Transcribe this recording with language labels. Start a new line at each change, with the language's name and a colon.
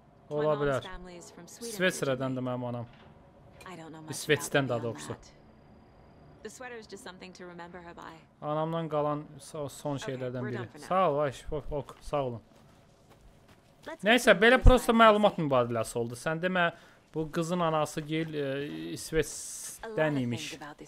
Azerbaijani: Ola bilər. İsveçrədən də mənim anam. İsveçdən də doğrusu.
English: The sweater is just something to remember her by.
Azerbaijani: Anamdan qalan son şeylərdən biri. Sağ ol, Ayş, ok, sağ olun. Nəysə, belə prosto məlumat mübadiləsi oldu. Sən demə, bu qızın anası gil İsveçdən imiş.